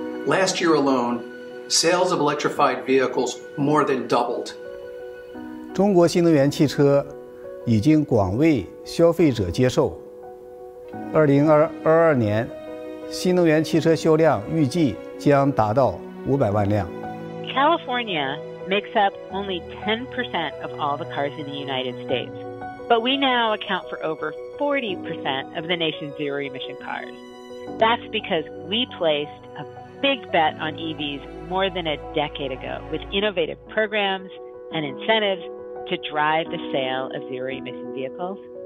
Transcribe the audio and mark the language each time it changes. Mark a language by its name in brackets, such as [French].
[English] Last year alone, sales of electrified vehicles more than doubled. [Chinese] 中国新能源汽车已经广为消费者接受。 2022年, 新能源汽车销量预计将达到500万辆。 [English] California makes up only 10% of all the cars in the United States, but we now account for over 40% of the nation's zero-emission cars. That's because we placed a big bet on EVs more than a decade ago with innovative programs and incentives to drive the sale of zero-emission vehicles.